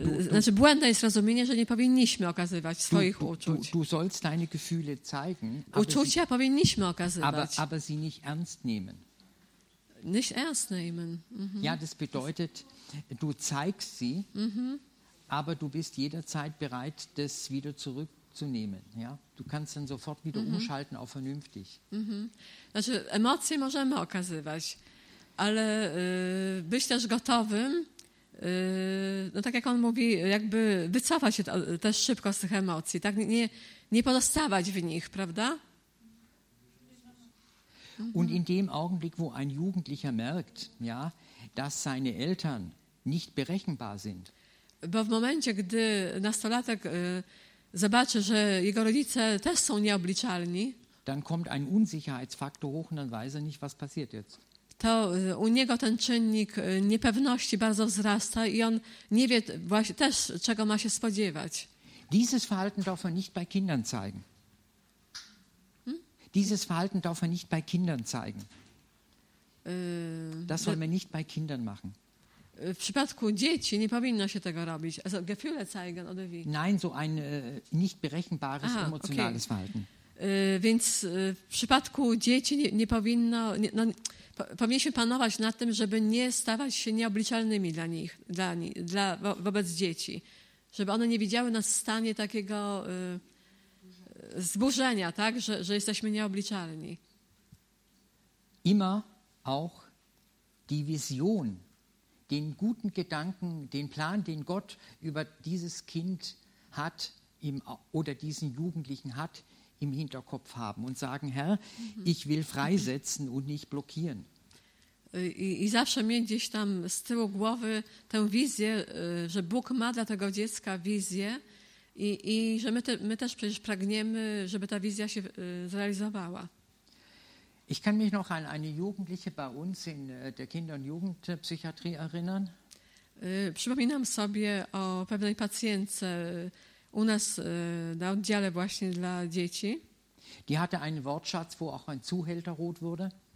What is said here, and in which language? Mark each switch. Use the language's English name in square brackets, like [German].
[Polish] Znaczy błędne jest rozumienie, że nie powinniśmy okazywać swoich uczuć. [German] Du sollst deine Gefühle zeigen. [Polish] Uczucia powinniśmy okazywać. [German] Aber sie nicht ernst nehmen. Nicht ernst nehmen. Mhm. Ja, das bedeutet, du zeigst sie, aber du bist jederzeit bereit, das wieder zurück zu nehmen. Ja? Du kannst dann sofort wieder umschalten auf vernünftig. [Polish] Znaczy, emocje możemy okazywać, ale być też gotowym, no tak jak on mówi, jakby wycofać się też szybko z tych emocji, tak? Nie pozostawać w nich, prawda? [German] Und in dem Augenblick, wo ein Jugendlicher merkt, ja, dass seine Eltern nicht berechenbar sind. [Polish] Bo w momencie, gdy nastolatek zobaczy, że jego rodzice też są nieobliczalni, [German] dann kommt ein Unsicherheitsfaktor hoch und dann weiß er nicht, was passiert jetzt. [Polish] To u niego ten czynnik niepewności bardzo wzrasta i on nie wie właśnie też, czego ma się spodziewać. [German] Dieses Verhalten darf man nicht bei Kindern zeigen. Dieses Verhalten darf man nicht bei Kindern zeigen. Das soll man nicht bei Kindern machen. [Polish] W przypadku dzieci nie powinno się tego robić. [German] Also Gefühle zeigen oder wie? Nein, so ein nicht berechenbares emotionales Verhalten. [Polish] Więc w przypadku dzieci nie powinno, powinniśmy panować nad tym, żeby nie stawać się nieobliczalnymi dla nich, wobec dzieci. Żeby one nie widziały nas w stanie takiego zburzenia, tak, że jesteśmy nieobliczalni. [German] Immer auch die Vision, den guten Gedanken, den Plan, den Gott über dieses Kind hat oder diesen Jugendlichen hat, im Hinterkopf haben und sagen, Herr, ich will freisetzen und nicht blockieren. [Polish] I zawsze mieć gdzieś tam z tyłu głowy tę wizję, że Bóg ma dla tego dziecka wizję i że my też przecież pragniemy, żeby ta wizja się zrealizowała. [German] Ich kann mich noch an eine Jugendliche bei uns in der Kinder- und Jugendpsychiatrie erinnern. [Polish] Przypominam sobie o pewnej pacjentce u nas na oddziale właśnie dla dzieci. [German] Die hatte einen Wortschatz, wo auch ein Zuhälter rot wurde.